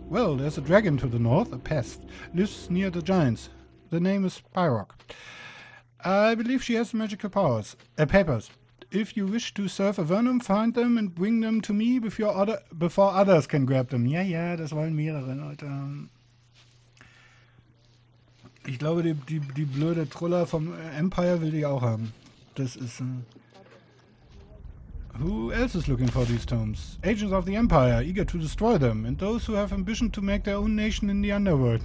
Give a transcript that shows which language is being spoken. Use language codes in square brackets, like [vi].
[en] Well, there's a dragon to the north, a pest. Lives near the giants. The name is Pyrok. I believe she has magical powers. Papers. If you wish to serve Avernum, find them and bring them to me before others can grab them. [de] Ja, ja, das wollen mehrere Leute. Ich glaube, die blöde Troller vom Empire will die auch haben. Das ist... [en] Who else is looking for these tomes? Agents of the Empire, eager to destroy them, and those who have ambition to make their own nation in the underworld.